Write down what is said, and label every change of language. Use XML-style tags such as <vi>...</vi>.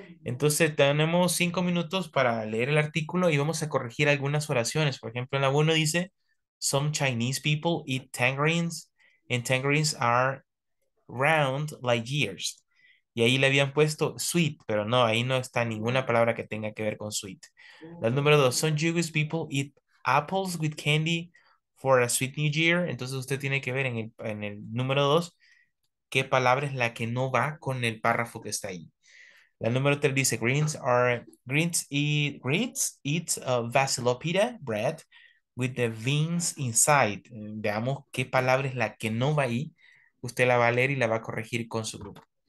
<es>Entonces, tenemos 5 minutos para leer el artículo y vamos a corregir algunas oraciones. Por ejemplo, en la 1 dice,</es> <en>some Chinese people eat tangerines, and tangerines are round like years.</en> <es>Y ahí le habían puesto sweet, pero no, ahí no está ninguna palabra que tenga que ver con sweet. La número 2,</es> <en>some Jewish people eat apples with candy for a sweet new year.</en> <es>Entonces usted tiene que ver en el número 2 qué palabra es la que no va con el párrafo que está ahí. La número 3 dice,</es> <en>greens eat a vasilopita bread with the beans inside.</en> <es>Veamos qué palabra es la que no va ahí. Usted la va a leer y la va a corregir con su grupo.</es>